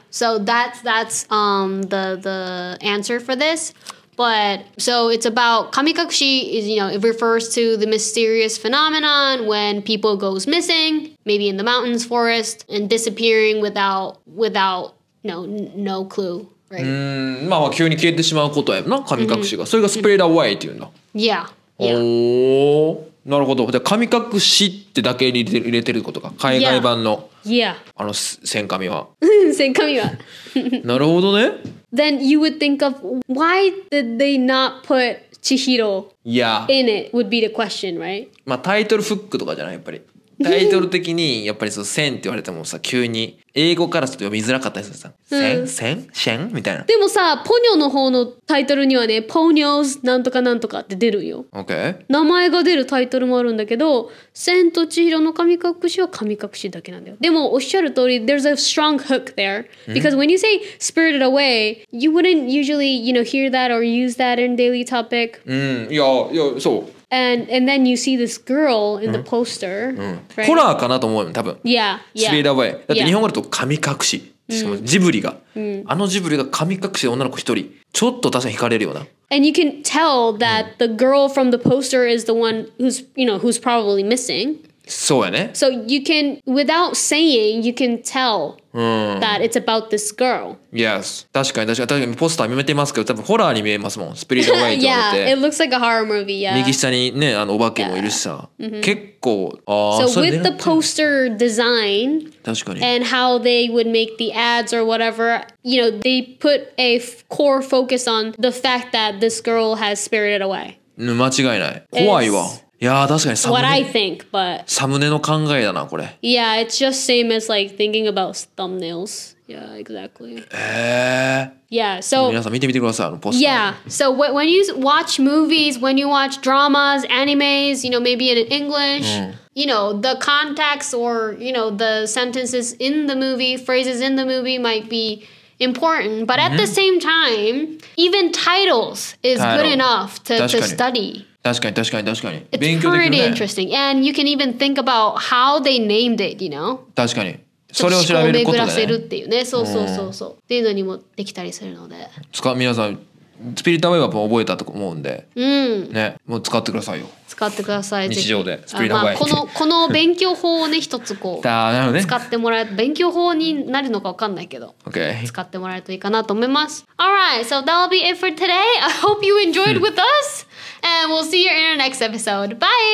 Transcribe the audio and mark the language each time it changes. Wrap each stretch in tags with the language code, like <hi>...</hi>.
<en>So that's the answer for thisBut, so it's about, 神隠し is, you know, it refers to the mysterious phenomenon when people goes missing, maybe in the mountains, forest, and disappearing without, you know, no clue, right?</en> <ja>まあまあ急に消えてしまうことやな、神隠しが。それが</ja> <en>spread away</en> <ja>っていうの。</ja> <en>Yeah.</en> <ja>なるほど。じゃあ神隠しってだけに入れてることか。海外版の。</ja> <en>Yeah.</en> <ja>あの、千神は。千神は。なるほどね。</ja> <en>Then you would think of why did they not put Chihiro、 yeah. in it would be the question, right?</en> <ja>まあタイトルフックとかじゃないやっぱり。タイトル的にやっぱりそう線って言われてもさ、急に英語からちょっと読みづらかったりするさ、線みたいな。でもさ、ポニョの方のタイトルにはね、ポニョーズなんとかなんとかって出るよ。</ja> <en>OK、</en> <ja>名前が出るタイトルもあるんだけど、千と千尋の神隠しは神隠しだけなんだよ。でもおっしゃる通り、</ja> <en>there's a strong hook there because when you say spirited away, you wouldn't usually, you know, hear that or use that in daily topic.</en> <ja>うん、いやいや、そう。</ja> <en>And then you see this girl in the poster.</en> <ja>ホラーかなと思うよ、多分。</ja> <en>Yeah, yeah. Spirited Away。</en> <ja>だって日本語だと神隠し。しかもジブリが。あのジブリが神隠しで女の子一人。ちょっと確かに惹かれるような。</ja> <en>And you can tell that the girl from the poster is the one who's, you know, who's probably missing.</en> <ja>そうやね。</ja> <en>So you can, without saying, you can tell that it's about this girl.</en> <ja>Yes. 確かに確かに。確かにポスター見えてますけど、多分ホラーに見えますもん。 Spirited Away って。</ja> <en>Yeah, it looks like a horror movie, yeah.</en> <ja>右下にね、あのお化けもいるしさ。結構、</ja> <en>So with the poster design,</en> <ja>確かに。</ja> <en>And how they would make the ads or whatever, you know, they put a core focus on the fact that this girl has spirited away.</en> <ja>間違いない。怖いわ。いやー確かに</ja> <en>サムネ。What I think, but</en> <ja>サムネの考えだなこれ。</ja> <en>Yeah, it's just same as like thinking about thumbnails. Yeah, exactly. Yeah, so</en> <ja>皆さん見てみてください、あのポスター。</ja> <en>Yeah, so when you watch movies, when you watch dramas, animes, you know, maybe in English,you know, the context or you know the sentences in the movie, phrases in the movie might be important. But at the same time, even titles is good enough to study.</en> <ja>確かに確かに確かに。</ja> <en>It's</en> <ja>勉強できる、ね、</ja> <en>pretty interesting. And you can even think about how they named it, you know?</en> <ja>確かに。それを調べることだね。思考巡らせるっていうね。そうそうそうそう。っていうのにもできたりするので。皆さん、スピリットアウェイは覚えたと思うんで。うん。ね。もう使ってくださいよ。使ってください。日常で。スピリットアウェイ、まあ。この勉強法をね、一つこう。だなるほどね。使ってもらえる。勉強法になるのか分かんないけど。</ja> <en>Okay.</en> <ja>使ってもらえるといいかなと思います。</ja> <en>Alright, so that'll be it for today. I hope you enjoyed with us. And we'll see you in our next episode. Bye!</en>